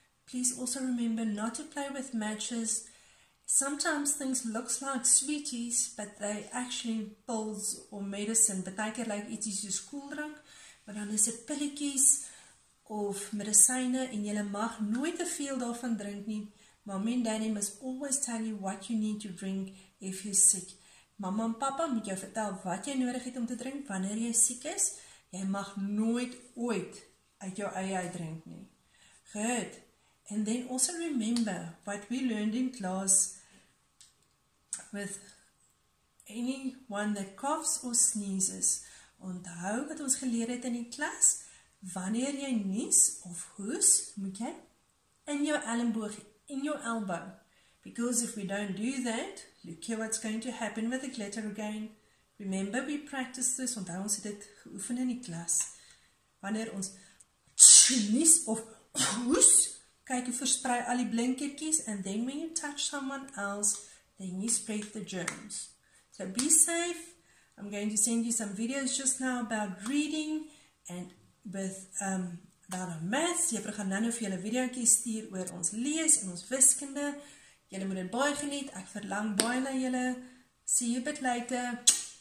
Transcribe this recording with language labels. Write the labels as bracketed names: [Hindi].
[English] Please also remember not to play with matches. Sometimes things look like sweeties, but they actually pills or medicine. [Afrikaans] Partykeer lyk iets soos koeldrank, maar dan is dit pilletjies of medisyne en jylle mag nooit te veel daarvan drink nie. [English] Mommy and daddy must always tell you what you need to drink if you're sick. [Afrikaans] Mama en papa moet jou vertel wat jy nodig het om te drink wanneer jy siek is. Jy mag nooit ooit uit jou eie uit drink nie. Goed. [English] And then also remember what we learned in class with anyone that coughs or sneezes. [Afrikaans] Onthou wat ons geleer het in die klas. Wanneer jy nies of hoes, moet jy in jou elleboog, in jou elbow. [English] Because if we don't do that, look here what's going to happen with the glitter again. Remember we practiced this, [Afrikaans] onthou ons het dit geoefen in die klas. Wanneer ons nies of hoes, kyk, jy versprei al die blinkertjies, [English] and then when you touch someone else, then you spread the germs. So be safe. I'm going to send you some videos just now about reading and with about our maths. [Afrikaans] Jy gaan nou vir julle videoetjie stuur oor ons lees en ons wiskunde. Julle moet dit baie geniet. Ek verlang baie na julle. [English] See you a bit later.